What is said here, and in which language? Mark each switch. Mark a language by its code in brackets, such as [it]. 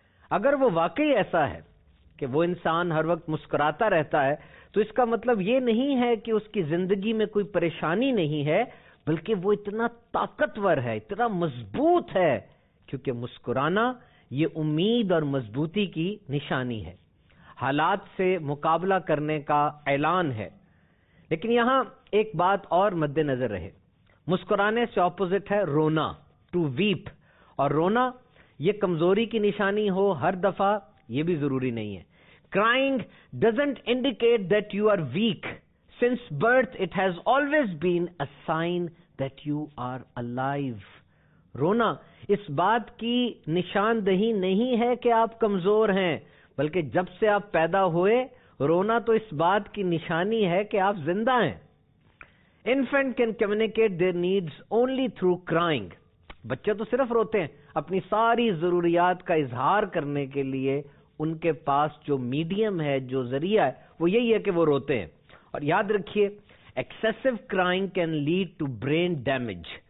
[ur] اگر وہ واقعی ایسا ہے کہ وہ انسان ہر وقت مسکراتا رہتا ہے، تو اس کا مطلب یہ نہیں ہے کہ اس کی زندگی میں کوئی پریشانی نہیں ہے، بلکہ وہ اتنا طاقتور ہے، اتنا مضبوط ہے، کیونکہ مسکرانا یہ امید اور مضبوطی کی نشانی ہے، حالات سے مقابلہ کرنے کا اعلان ہے۔ لیکن یہاں ایک بات اور مد نظر رہے، مسکرانے سے اپوزٹ ہے رونا، ٹو ویپ۔ اور رونا یہ کمزوری کی نشانی ہو ہر دفعہ یہ بھی ضروری نہیں ہے۔ [en] Crying doesn't indicate that you are weak. Since birth, it has always been a sign that you are alive. [ur] رونا اس بات کی نشاندہی نہیں ہے کہ آپ کمزور ہیں، بلکہ جب سے آپ پیدا ہوئے رونا تو اس بات کی نشانی ہے کہ آپ زندہ ہیں۔ [en] Infant can communicate their needs only through crying. [ur] بچے تو صرف روتے ہیں، اپنی ساری ضروریات کا اظہار کرنے کے لیے ان کے پاس جو میڈیم ہے، جو ذریعہ ہے، وہ یہی ہے کہ وہ روتے ہیں۔ اور یاد رکھیے، [en] Excessive crying can lead to brain damage.